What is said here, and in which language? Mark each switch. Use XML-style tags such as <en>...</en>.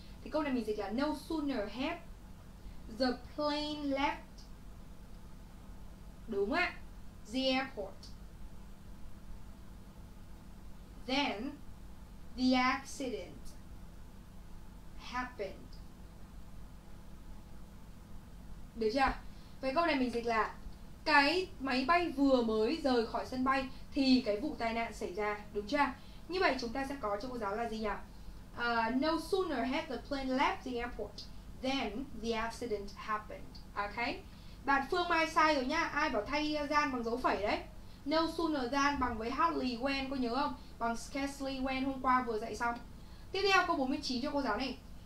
<vi>Thì câu này mình dịch là</vi> <en>no sooner have the plane left,</en> <vi>đúng ạ,</vi> <en>the airport, then the accident happened.</en> <vi>Được chưa? Vậy câu này mình dịch là cái máy bay vừa mới rời khỏi sân bay thì cái vụ tai nạn xảy ra, đúng chưa? Như vậy chúng ta sẽ có cho cô giáo là gì nhỉ?</vi> <en>No sooner had the plane left the airport than the accident happened. Ok?</en> <vi>Bạn Phương Mai sai rồi nhá. Ai bảo thay than bằng dấu phẩy đấy? No sooner than bằng với hardly when, cô nhớ không? Bằng scarcely when, hôm qua vừa dạy xong. Tiếp theo câu 49 cho cô giáo này.</vi>